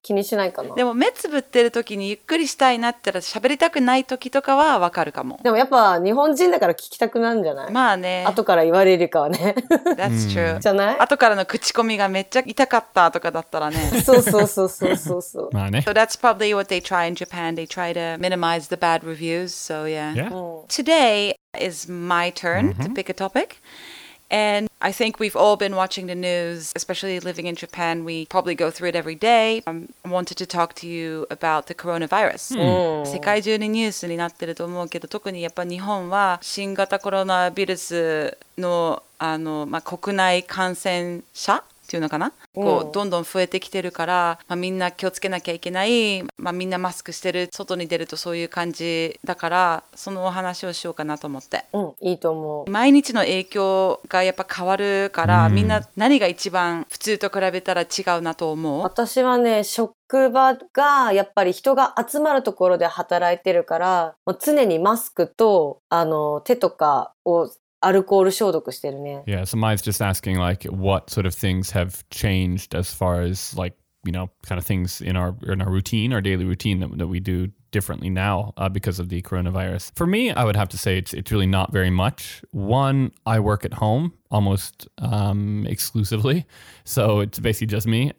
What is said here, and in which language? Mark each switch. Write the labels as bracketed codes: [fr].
[ja] 気にしないかな。でも目つぶってる時にゆっくりしたいなったら喋りたくない時とかはわかるかも。でもやっぱ日本人だから聞きたくなるんじゃない? まあね。後から言われるかはね。 [en] That's true. [ja] じゃない? 後からの口コミがめっちゃ痛かったとかだったらね。そうそうそうそうそうそう。まあね。 [en] So that's probably what they try in Japan. They try to minimize the bad reviews. So yeah. Yeah. Today is my turn to pick a topic. And I think we've all been watching the news, especially living in Japan. We probably go through it every day. I wanted to talk to you about the coronavirus. [ja] 世界中にニュースになってると思うけど、特にやっぱ日本は新型コロナウイルスの、あの、まあ、国内感染者っていうのかな、こうどんどん増えてきてるから、まあ、みんな気をつけなきゃいけない、まあ、みんなマスクしてる、外に出るとそういう感じだから、そのお話をしようかなと思って、いいと思う。毎日の影響がやっぱ変わるから、みんな何が一番普通と比べたら違うなと思う。私はね、職場がやっぱり人が集まるところで働いてるから、もう常にマスクとあの手とかをアルコール消毒してるね。 [en] Yeah, so Mai's just asking like what sort of things have changed as far as like, you know, kind of things in our routine, our daily routine that we do differently now because of the coronavirus. For me, I would have to say it's really not very much. One, I work at home almost exclusively, so it's basically just me.